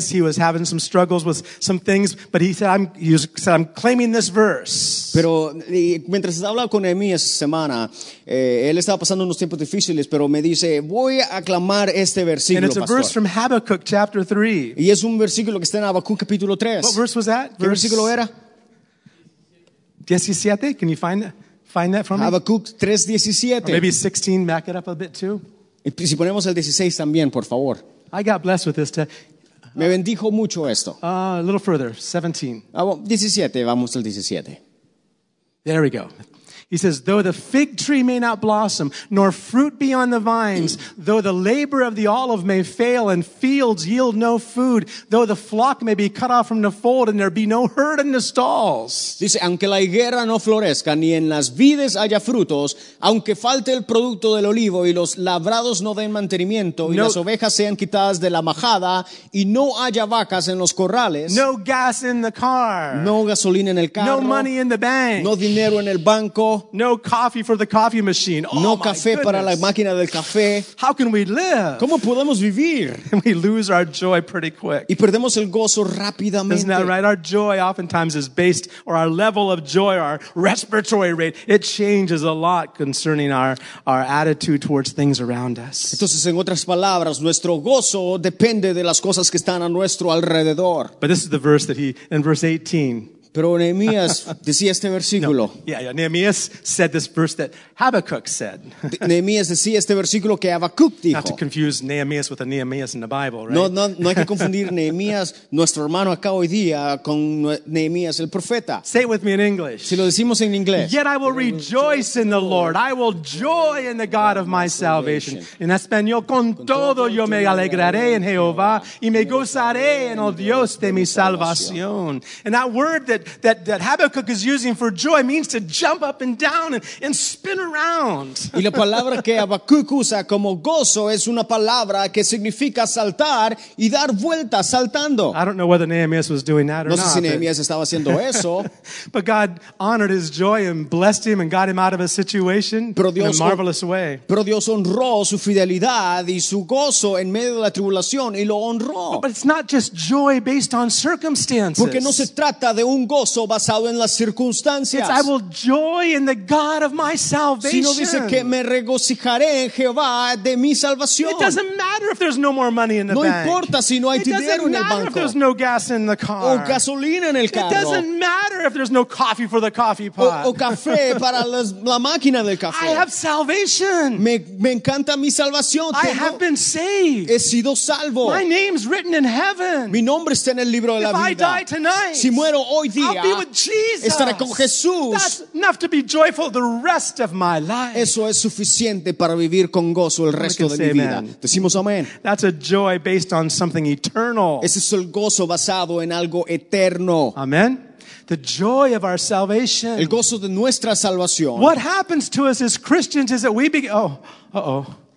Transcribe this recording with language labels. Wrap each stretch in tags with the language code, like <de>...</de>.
<en>He was having some struggles with some things, but he said, I'm claiming this verse.</en> <es>Pero mientras hablaba con Nehemiah esa semana, él estaba pasando unos tiempos difíciles, pero me dice, voy a aclamar este versículo,</es> <en>and it's a pastor. Verse from Habakkuk chapter 3.</en> <es>Y es un versículo que está en Habacuc capítulo 3.</es> <en>What verse was that?</en> <es>¿Qué versículo era?</es> <en>17. Can you find that for me?</en> <es>Habacuc 3:17.</es> <en>Maybe 16, back it up a bit too.</en> <es>Y si ponemos el 16 también, por favor.</es> <en>I got blessed with this.</en> <es>Me bendijo mucho esto.</es> <en>A little further, 17.</en> <es>17, vamos al 17.</es> <en>There we go. He says, though the fig tree may not blossom, nor fruit be on the vines, though the labor of the olive may fail and fields yield no food, though the flock may be cut off from the fold and there be no herd in the stalls.</en> <es>Dice, aunque la higuera no florezca, ni en las vides haya frutos, aunque falte el producto del olivo y los labrados no den mantenimiento, y las ovejas sean quitadas de la majada, y no haya vacas en los corrales.</es> <en>No gas in the car.</en> <es>No gasolina en el carro.</es> <en>No money in the bank.</en> <es>No dinero en el banco.</es> <en>No coffee for the coffee machine. Oh,</en> <es>no café para la máquina del café.</es> <en>How can we live?</en> <es>¿Cómo podemos vivir?</es> <en>And we lose our joy pretty quick.</en> <es>Y perdemos el gozo rápidamente.</es> <en>Isn't that right? Our joy oftentimes is based, or our level of joy, our respiratory rate. It changes a lot concerning our attitude towards things around us.</en> <es>Entonces, en otras palabras, nuestro gozo depende de las cosas que están a nuestro alrededor.</es> <en>But this is the verse that in verse 18.</en> <es>Pero Nehemías decía este versículo.</es> <en>No. Yeah. Nehemías said this verse that Habakkuk said.</en> <es>Nehemías decía este versículo que Habacuc dijo.</es> <en>Not to confuse Nehemías with a Nehemías in the Bible, right?</en> <es>No hay que confundir Nehemías, nuestro hermano acá hoy día, con Nehemías el profeta.</es> <en>Say it with me in English.</en> <es>Si lo decimos en inglés.</es> <en>Yet I will rejoice in the Lord. I will joy in the God of my salvation.</en> <es>En español, con todo yo me alegraré en Jehová y me gozaré en el Dios de mi salvación.</es> <en>And that word that Habakkuk is using for joy means to jump up and down and spin around.</en> <es>Y la palabra que Habakkuk usa como gozo es una palabra que significa saltar y dar vueltas saltando.</es> <en>I don't know whether Nehemiah was doing that or not.</en> <es>No sé si Nehemiah estaba haciendo eso.</es> <en>But God honored his joy and blessed him and got him out of a situation in a marvelous way.</en> <es>Pero Dios honró su fidelidad y su gozo en medio de la tribulación y lo honró.</es> <en>But it's not just joy based on circumstances.</en> <es>Porque no se trata de un gozo basado en las circunstancias.</es> <en>I will joy in the God of my salvation.</en> <es>Sino dice que me regocijaré en Jehová de mi salvación.</es> <en>It doesn't matter if there's no more money in the no bank.</en> <es>No importa si no hay it dinero en el banco.</es> <en>If there's no gas in the car.</en> <es>O gasolina en el carro.</es> <en>It doesn't matter if there's no coffee for the coffee pot.</en> <es>O café para la máquina del café.</es> <en>I have salvation.</en> <es>Me encanta mi salvación.</es> <en>I have been saved.</en> <es>He sido salvo.</es> <en>My name's written in heaven.</en> <es>Mi nombre está en el libro de la vida.</es> <en>If I die tonight.</en> <es>Si muero hoy día,</es> <en>I'll be with Jesus.</en> <es>Estaré con Jesús.</es> <en>That's enough to be joyful the rest of my life.</en> <es>Eso es suficiente para vivir con gozo el resto de mi vida.</es> <en>Amen.</en> <es>Decimos amén.</es> <en>That's a joy based on something eternal.</en> <es>Ese es el gozo basado en algo eterno.</es> <en>Amen. The joy of our salvation.</en> <es>El gozo de nuestra salvación.</es> <en>What happens to us as Christians is that we begin. Oh,</en>